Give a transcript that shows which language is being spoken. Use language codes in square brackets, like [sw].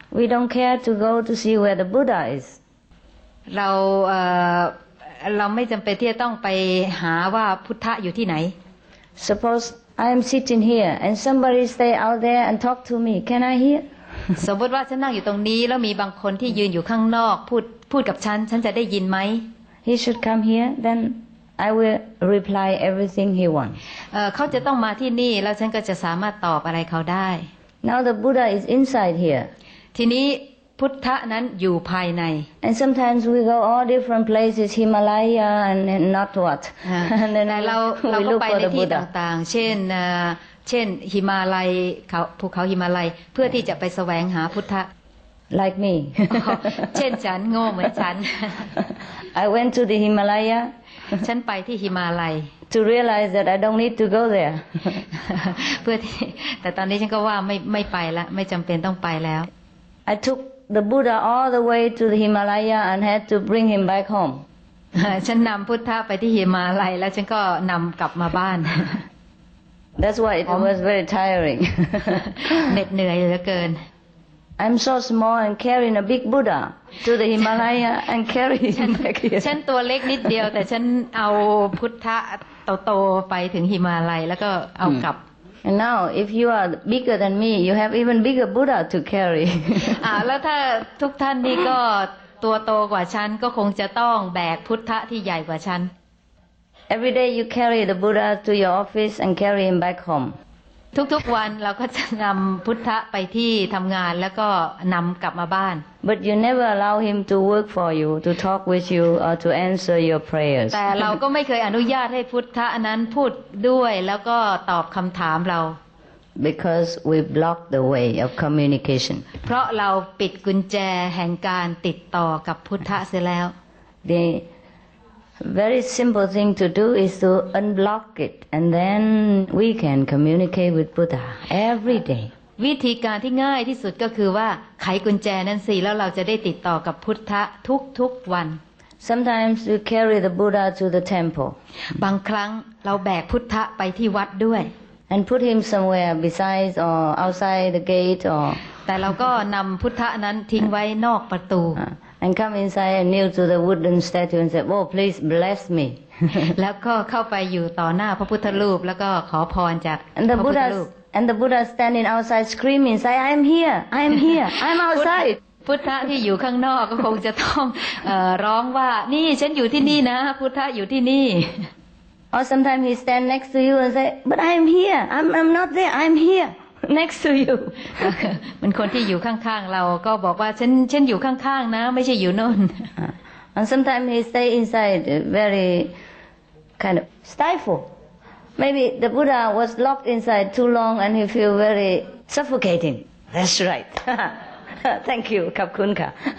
[en] We don't care to go to see where the Buddha is [th] เราไม่จำเป็นที่จะต้องไปหาว่าพุทธะอยู่ที่ไหน [en] Suppose I am sitting here and somebody stay out there and talk to me Can I hear [th] สมมติว่าฉันนั่งอยู่ตรงนี้แล้วมีบางคนที่ยืนอยู่ข้างนอกพูดกับฉันฉันจะได้ยินไหม [en] He should come here then I will reply everything he want [th] เขาจะต้องมาที่นี่แล้วฉันก็จะสามารถตอบอะไรเขาได้ [en] Now the Buddha is inside here. [th] ทีนี้พุทธะนั้นอยู่ภายใน [en] And sometimes we go all different places, Himalaya and not what. And then we look for the Buddha. [th] ต่างๆเช่นหิมาลัยภูเขาหิมาลัยเพื่อที่จะไปแสวงหาพุทธะ [en] Like me. [th] เช่นฉันโง่เหมือนฉัน [en] I went to the Himalaya. [th] ฉันไปที่หิมาลัย [en] To realize that I don't need to go there. But, [th] แต่ตอนนี้ฉันก็ว่าไม่ไปแล้วไม่จำเป็นต้องไปแล้ว [en] I took the Buddha all the way to the Himalaya and had to bring him back home. [th] ฉันนำพุทธะไปที่หิมาลัยแล้วฉันก็นำกลับมาบ้าน [en] That's why it was very tiring. [th] เหน็ดเหนื่อยเหลือเกิน [en] I'm so small and carrying a big Buddha to the Himalaya and carrying him back here. [th] ฉันตัวเล็กนิดเดียวแต่ฉันเอาพุทธะโตไปถึงหิมาลัยแล้วก็เอากลับ [en] And now if you are bigger than me you have even bigger Buddha to carry [th] แล้วถ้าทุกท่านนี่ก็ตัวโตกว่าฉันก็คงจะต้องแบกพุทธะที่ใหญ่กว่าฉัน [en] Every day you carry the Buddha to your office and carry him back home [th] ทุกๆวันเราก็จะนำพุทธะไปที่ทำงานแล้วก็นำกลับมาบ้าน [en] But you never allow him to work for you to talk with you or to answer your prayers [th] แต่เราก็ไม่เคยอนุญาตให้พุทธะนั้นพูดด้วยแล้วก็ตอบคำถามเรา [en] Because we block the way of communication [th] เพราะเราปิดกุญแจแห่งการติดต่อกับพุทธะเสียแล้ว [en] The very simple thing to do is to unblock it and then we can communicate with Buddha every day [th] วิธีการที่ง่ายที่สุดก็คือว่าไขกุญแจนั้นสิแล้วเราจะได้ติดต่อกับพุทธะทุกวัน [en] Sometimes we carry the Buddha to the temple [th] บางครั้งเราแบกพุทธะไปที่วัดด้วย [en] And put him somewhere besides or outside the gate or [th] แต่เราก็นำพุทธะนั้นทิ้งไว้นอกประตู [en] And come inside and kneel to the wooden statue and say oh please bless me [th] แล้วก็เข้าไปอยู่ต่อหน้าพระพุทธรูปแล้วก็ขอพรจากพระพุทธรูป [en] And the Buddha standing outside screaming, say, I am here, I am here, I am outside. [th] พุทธะที่อยู่ข้างนอกก็คงจะต้องร้องว่านี่ฉันอยู่ที่นี่นะพุทธะอยู่ที่นี่ [en] Or sometimes he stand next to you and say, but I am here, I'm not there, I'm here, next to you. [th] มันคนที่อยู่ข้างๆเราก็บอกว่าฉันอยู่ข้างๆนะไม่ใช่อยู่โน่น [en] And sometimes he stay inside very kind of stifled. Maybe the Buddha was locked inside too long and he feel very suffocating. That's right. Thank you, [th] Kapkun Ka.